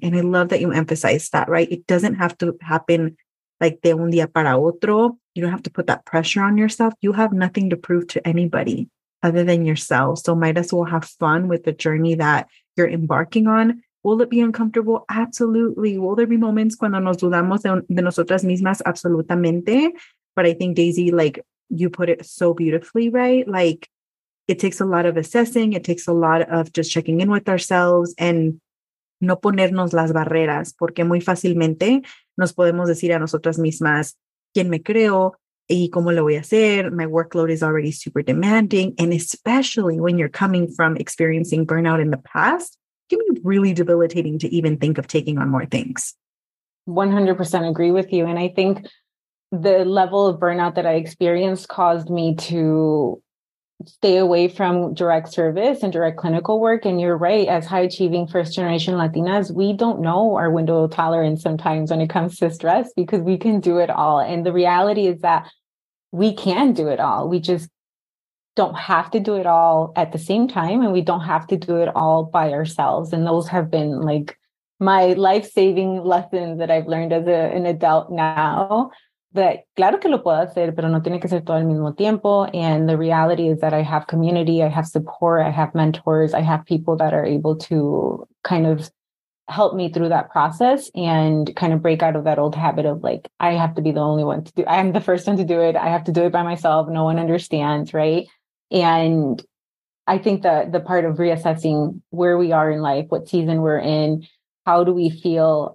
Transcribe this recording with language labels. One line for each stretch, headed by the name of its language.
English: And I love that you emphasize that, right? It doesn't have to happen like
Spanish: de un día para otro.
English: You don't have to put that pressure on yourself. You have nothing to prove to anybody other than yourself. So might as well have fun with the journey that you're embarking on. Will it be uncomfortable? Absolutely. Will there be moments
Spanish: cuando nos dudamos de nosotras mismas? Absolutamente.
English: But I think, Daisy, like you put it so beautifully, right? Like it takes a lot of assessing. It takes a lot of just checking in with ourselves and
Spanish: no ponernos las barreras, porque muy fácilmente nos podemos decir a nosotras mismas, ¿quién me creo? ¿Y cómo lo voy a hacer?
English: My workload is already super demanding. And especially when you're coming from experiencing burnout in the past, can be really debilitating to even think of taking on more things. 100% agree with you. And I think the level of burnout that I experienced caused me to stay away from direct service and direct clinical work. And you're right, as high achieving first generation Latinas, we don't know our window of tolerance sometimes when it comes to stress, because we can do it all. And the reality is that we can do it all. We just don't have to do it all at the same time. And we don't have to do it all by ourselves. And those have been like my life-saving lessons that I've learned as an adult now.
Spanish: But claro que lo puedo hacer, pero no tiene que ser todo al mismo tiempo.
English: And the reality is that I have community, I have support, I have mentors, I have people that are able to kind of help me through that process and kind of break out of that old habit of like, I have to be the only one to do, I'm the first one to do it. I have to do it by myself. No one understands, right? And I think that the part of reassessing where we are in life, what season we're in, how do we feel?